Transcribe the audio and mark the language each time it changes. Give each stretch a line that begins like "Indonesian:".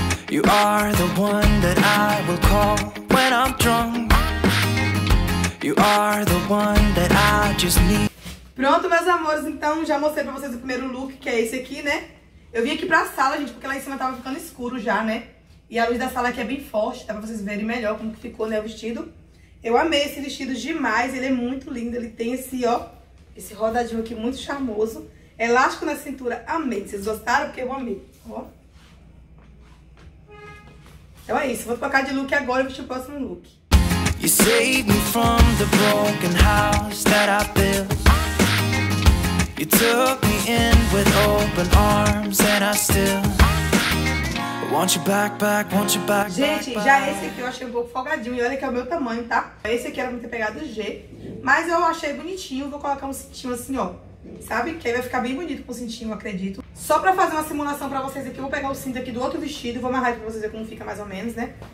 English: You are the one that I will call when I'm drunk. You are the one that I just need.
Portuguese: Pronto, meus amores, então já mostrei pra vocês o primeiro look, que é esse aqui, né? Eu vim aqui pra sala, gente, porque lá em cima tava ficando escuro já, né? E a luz da sala aqui é bem forte, dá pra vocês verem melhor como que ficou, né, o vestido. Eu amei esse vestido demais, ele é muito lindo, ele tem esse, ó, esse rodadinho aqui muito charmoso. Elástico na cintura, amei, vocês gostaram? Porque eu amei, ó. Então é isso, vou trocar de look agora e vestir o próximo look.
English: You saved me from the broken house that I built. You took me in with open arms and I still want you back, back, want you back.
Portuguese: Gente, back, já back. Esse aqui eu achei um pouco folgadinho. E olha que é o meu tamanho, tá? Esse aqui era pra ter pegado G. Mas eu achei bonitinho. Vou colocar um cintinho assim, ó. Sabe? Que aí vai ficar bem bonito com o cintinho, acredito. Só pra fazer uma simulação pra vocês aqui, eu vou pegar o cinto aqui do outro vestido e vou amarrar aqui pra vocês verem como fica mais ou menos, né?